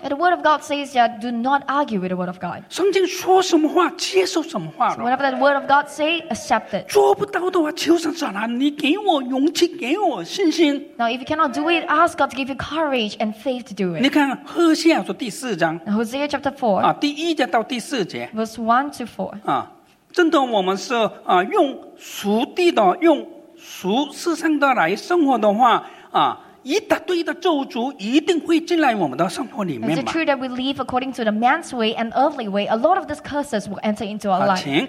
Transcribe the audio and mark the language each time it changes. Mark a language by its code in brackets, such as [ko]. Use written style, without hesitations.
[en] And the word of God says that do not argue with the word of God. [zh] 圣经说什么话，接受什么话了。 [en] So whatever that word of God say, accept it. [zh] 做不到的话，求神神啊，你给我勇气，给我信心。 [en] Now if you cannot do it, ask God to give you courage and faith to do it. [zh] 你看赫歇亚书第四章， [en] Hosea chapter 4， [zh] 啊，第一节到第四节， [en] verse 1-4。 [zh] 啊，真的，我们是用属地的用。属世上的来生活的话，啊，一大堆的咒诅一定会进来我们的生活里面嘛。 [en] Is it true that we live according to the man's way and earthly way? A lot of these curses will enter into our life.